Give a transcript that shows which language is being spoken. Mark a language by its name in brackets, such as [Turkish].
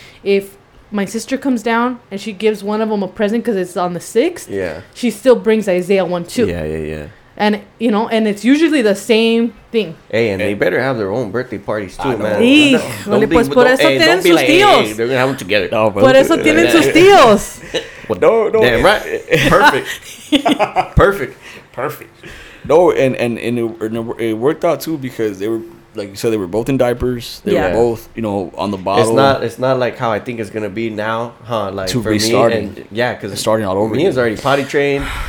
[English] If my sister comes down and she gives one of them a present because it's on the 6th, she still brings Isaiah one too. Yeah. And and it's usually the same thing. Hey, and they better have their own birthday parties too, man. Sí. Don't be like, they're gonna have them together. [Spanish] No, por eso tienen sus tíos. [English] Well, no. Damn right. Perfect. No, and it worked out too because they were, like you said, they were both in diapers. They were both, on the bottle. It's not like how I think it's gonna be now, huh? Like to for restarting. Me and, yeah, because it's starting all over. Mia's already potty trained.